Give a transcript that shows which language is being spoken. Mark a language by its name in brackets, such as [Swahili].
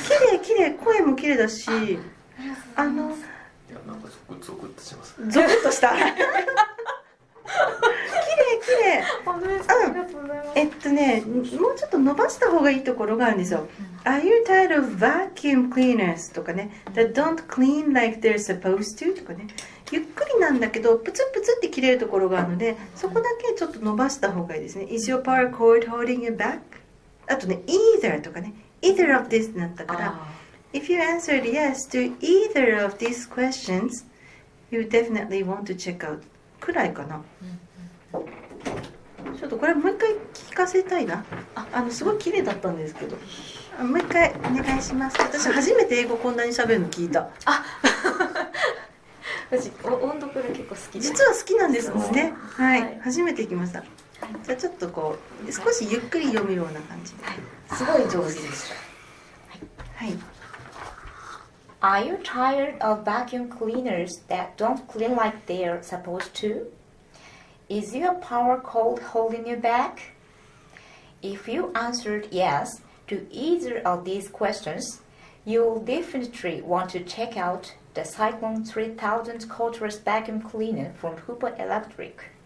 [Japanese] 綺麗綺麗、声も綺麗だし、いや、なんかゾクッゾクッとします。ゾクッとした。綺麗綺麗、本当ですか、うん、ありがとうございます。ね、もうちょっと伸ばした方がいいところがあるんですよ。 [English] Are you tired of vacuum cleaners? [Japanese] とかね、 [English] that don't clean like they're supposed to? [Japanese] とかね、ゆっくりなんだけどプツプツって切れるところがあるので、そこだけちょっと伸ばした方がいいですね。 [English] Is your power cord holding you back? [Japanese] あとね、 [English] either とかね、 either of this [Japanese] になったから、 [English] If you answered yes to either of these questions, you definitely want to check out [Japanese] くらいかな。ちょっとこれもう一回聞かせたいな。すごい綺麗だったんですけど、もう一回お願いします。私初めて英語こんなに喋るの聞いた。あ私音読が結構好きで、実は好きなんですもんね、はい、はい、初めて来ました、はい、じゃあちょっとこう少しゆっくり読むような感じで、はい、すごい上手でした、はい、 [English] はい。Are you tired of vacuum cleaners that don't clean like they're supposed to? Is your power cold holding you back? If you answered yes to either of these questions, you'll definitely want to check out the Cyclone 3000 cordless vacuum cleaner from Hooper Electric.